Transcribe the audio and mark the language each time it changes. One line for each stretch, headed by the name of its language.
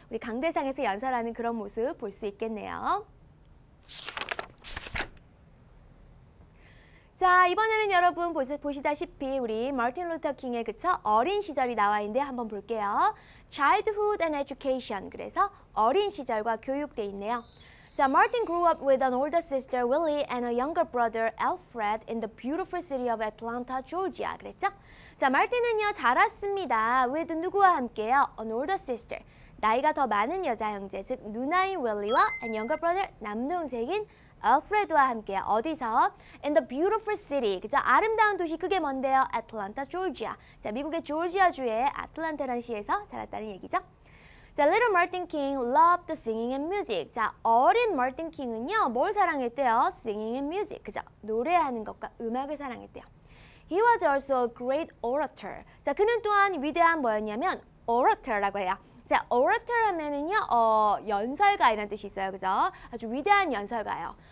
Korean: 우리 강대상에서 연설하는 그런 모습 볼 수 있겠네요. 자, 이번에는 여러분 보시다시피 우리 마틴 루터 킹의 그쵸? 어린 시절이 나와 있는데 한번 볼게요.
English: Childhood and Education
Korean: 그래서 어린 시절과 교육돼 있네요.
English: 자, Martin grew up with an older sister, Willie, and a younger brother, Alfred, in the beautiful city of Atlanta, Georgia.
Korean: 그랬죠? 자, Martin은요, 자랐습니다. With 누구와 함께요?
English: An older sister.
Korean: 나이가 더 많은 여자 형제, 즉 누나인 Willie와
English: and younger brother,
Korean: 남동생인 알프레드와 함께 어디서?
English: In the beautiful city.
Korean: 그죠? 아름다운 도시 그게 뭔데요?
English: Atlanta, Georgia.
Korean: 자, 미국의 조지아주의 애틀랜타라는 시에서 자랐다는 얘기죠.
English: 자, Little Martin King loved singing and music.
Korean: 자, 어린 Martin King은요, 뭘 사랑했대요?
English: Singing and music.
Korean: 그죠? 노래하는 것과 음악을 사랑했대요.
English: He was also a great orator.
Korean: 자, 그는 또한 위대한 뭐였냐면 orator라고 해요. 자, orator 하면은요, 연설가 이런 뜻이 있어요. 그죠? 아주 위대한 연설가예요.